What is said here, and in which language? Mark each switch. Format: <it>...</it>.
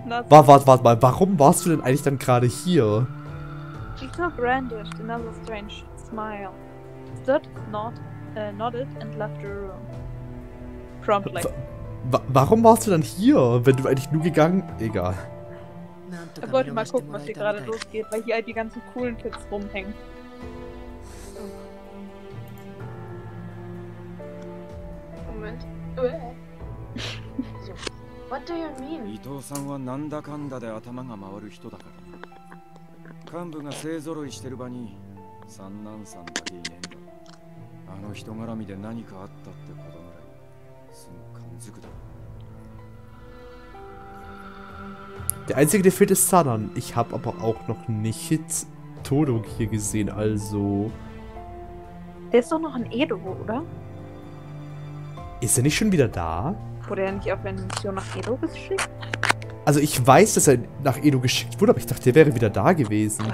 <de>Warte, mal, warum warst du denn eigentlich dann gerade hier?</de> <en>Ito brandished another strange smile, stood, nodded and left the room. Promptly.</en> <de>Warum warst du dann hier, wenn du eigentlich nur gegangen... Egal. Ich wollte mal gucken, was hier gerade losgeht, weil hier halt die ganzen coolen Kids rumhängen.</de> <en>What do you mean?</en> <ja>伊藤さんはなんだかんだで頭が回る人だから。幹部が勢ぞろいしてる場に三男さんだけいねえんだ。あの人絡みで何かあったってことぐらいすぐ感づくだろう。</ja> <de>Der einzige, der fehlt, ist Sanan. Ich habe aber auch noch nicht Todo hier gesehen, also. Der ist doch noch in Edo, oder? Ist er nicht schon wieder da? Wurde er nicht auf eine Mission nach Edo geschickt? Also ich weiß, dass er nach Edo geschickt wurde, aber ich dachte, er wäre wieder da gewesen.</de>